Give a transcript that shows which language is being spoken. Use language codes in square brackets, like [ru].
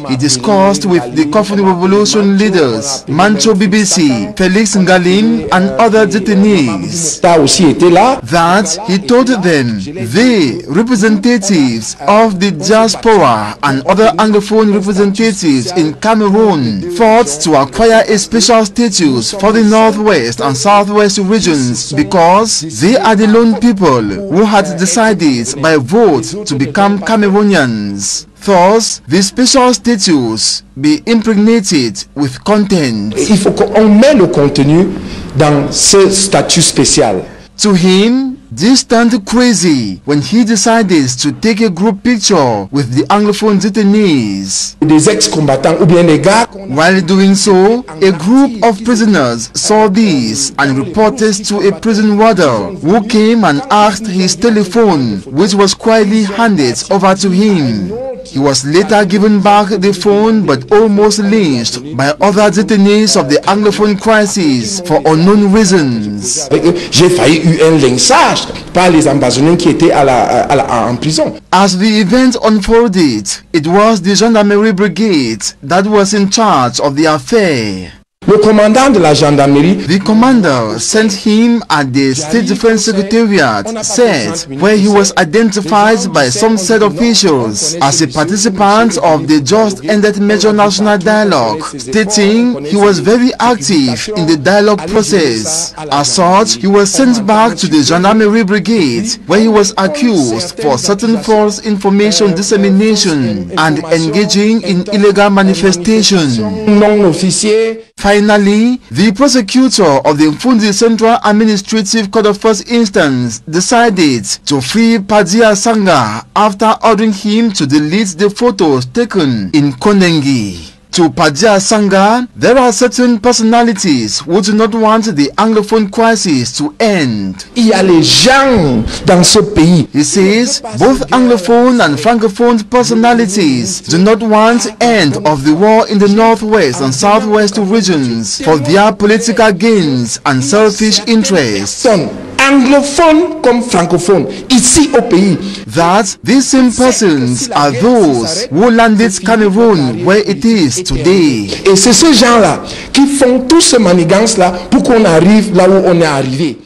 [en] He discussed with the Koffing Revolution leaders, Mancho BBC, Félix Ngalim, and other detainees, that he told them the representatives of the diaspora and other Anglophone representatives in Cameroon fought to acquire a special status for the Northwest and Southwest regions because they are the lone people who had decided by vote to become Cameroonians. Thus, the special status be impregnated with content. [fr] Il faut qu'on mette le contenu dans ce statut spécial. [en] To him, this turned crazy when he decided to take a group picture with the Anglophone detainees. [fr] Des ex-combattants ou bien des gars. [en] While doing so, a group of prisoners saw this and reported to a prison warder who came and asked his telephone, which was quietly handed over to him. He was later given back the phone but almost lynched by other detainees of the Anglophone crisis for unknown reasons. [fr] J'ai failli eu un lynchage par les ambassadeurs qui étaient en prison. [en] As the event unfolded, it was the Gendarmerie Brigade that was in charge of the affair. [fr] Le commandant de la gendarmerie. [en] The commander sent him at the State Defense Secretariat, said, where he was identified by some said officials as a participant of the just-ended major national dialogue, stating he was very active in the dialogue process. As such, he was sent back to the Gendarmerie Brigade, where he was accused for certain false information dissemination and engaging in illegal manifestation. [fr] Non-officier. [en] Finally, the prosecutor of the Mfundi Central Administrative Court of First Instance decided to free Paddy Asanga after ordering him to delete the photos taken in Koningé. To Paddy Asanga, there are certain personalities who do not want the Anglophone crisis to end. [fr] Il y a les gens dans ce pays. [en] He says both Anglophone and Francophone personalities do not want end of the war in the Northwest and Southwest regions for their political gains and selfish interests. [fr] Anglophone comme francophone ici au pays. [en] That these same persons are those who landed Cameroon where it is today. [fr] Et c'est ces gens-là qui font tout ce manigance là pour qu'on arrive là où on est arrivé.